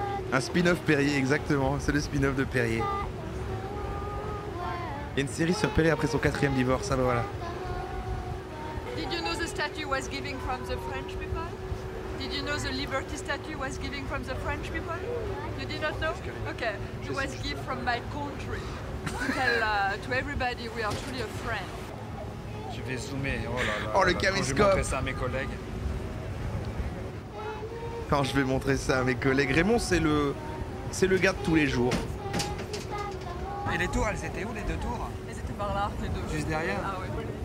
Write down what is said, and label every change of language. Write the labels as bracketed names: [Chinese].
[French] Un spin-off Perrier, exactement. C'est le spin-off de Perrier. Il y a une série sur Perrier après son 4e divorce. Ah ben voilà. [English] Did you know the statue was given from the French people? Did you know the Liberty statue was given from the French people? You did not know? Okay. It was given from my country. To everybody, we are truly a friend. [French] Je vais zoomer. Oh là là. Oh, le caméscope. Je vais montrer ça à mes collègues. Quand je vais montrer ça à mes collègues. Raymond, c'est le gars de tous les jours. Et les tours, elles étaient où, les deux tours? Elles étaient par là, les deux. Juste derrière? Ah oui.